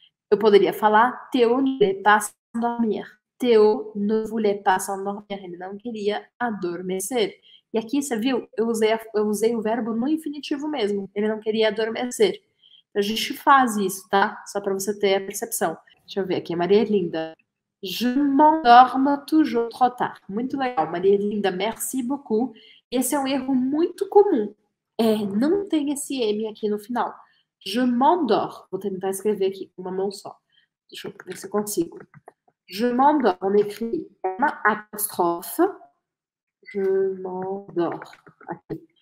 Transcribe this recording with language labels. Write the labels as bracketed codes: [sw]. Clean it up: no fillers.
[pt] Eu poderia falar [fr] Théo ne voulait pas s'endormir. [pt] Théo ne voulait pas s'endormir. Ele não queria adormecer. E aqui, você viu? Eu usei o verbo no infinitivo mesmo. Ele não queria adormecer. A gente faz isso, tá? Só para você ter a percepção. Deixa eu ver aqui, Maria Linda. [fr] Je m'endorme toujours trop tard. [pt] Muito legal, Maria Linda. [fr] Merci beaucoup. [pt] Esse é um erro muito comum. Não tem esse M aqui no final. [fr] Je m'endors. [pt] Vou tentar escrever aqui com uma mão só. Deixa eu ver se eu consigo. [fr] Je m'endors. On écrit M'apostrophe. Je m'endors. Aqui.